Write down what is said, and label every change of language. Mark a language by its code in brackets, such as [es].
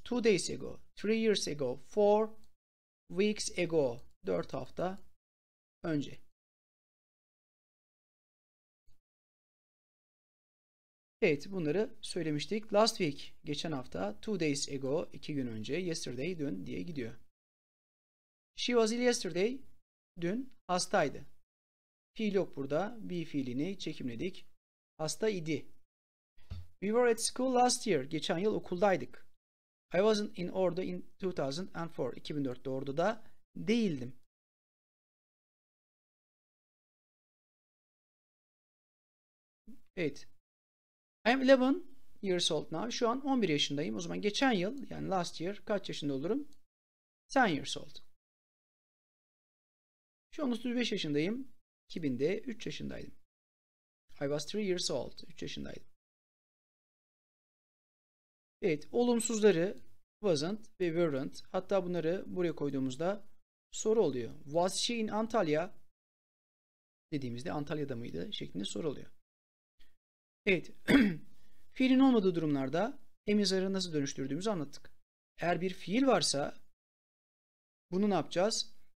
[en] 2 days ago, 3 years ago, 4 weeks ago, [tr] 4 hafta önce. Evet, bunları söylemiştik. [en] Last week, [tr] geçen hafta, [en] 2 days ago, [tr] 2 gün önce, yesterday, dün diye gidiyor. [en] She was ill yesterday, [tr] dün hastaydı. Fiil yok burada. Be fiilini çekimledik. Hasta idi. [en] We were at school last year, [tr] geçen yıl okuldaydık. [en] I wasn't in Ordu in 2004. [tr] 2004'te Ordu'da değildim. [en] Evet. I'm 11 years old now. [tr] Şu an 11 yaşındayım. O zaman geçen yıl, yani last year, kaç yaşında olurum? [en] 10 years old. [tr] Şu an 35 yaşındayım. 2000'de 3 yaşındaydım. [en] I was 3 years old. [tr] 3 yaşındaydım. Evet, olumsuzları wasn't ve weren't. Hatta bunları buraya koyduğumuzda soru oluyor. [en] Was she in Antalya? [tr] Dediğimizde Antalya'da mıydı? Şeklinde soru oluyor. Evet, fiilin olmadığı durumlarda emizarı nasıl dönüştürdüğümüzü anlattık. Eğer bir fiil varsa bunu ne yapacağız?